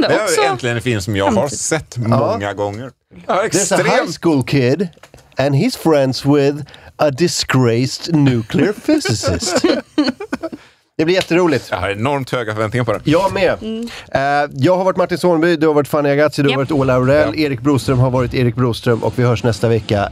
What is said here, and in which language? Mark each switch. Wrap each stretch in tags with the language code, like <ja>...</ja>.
<sv>Det är äntligen en film som jag har sett många gånger.</sv> <en>There's a high school kid and his friends with a disgraced nuclear physicist.</en> <sv>Det blir jätteroligt. Jag har enormt höga förväntningar på den. Jag med. Jag har varit Martin Sonby, du har varit Fanny Agazzi, du har varit Ola Aurell, Erik Broström har varit Erik Broström och vi hörs nästa vecka.</sv>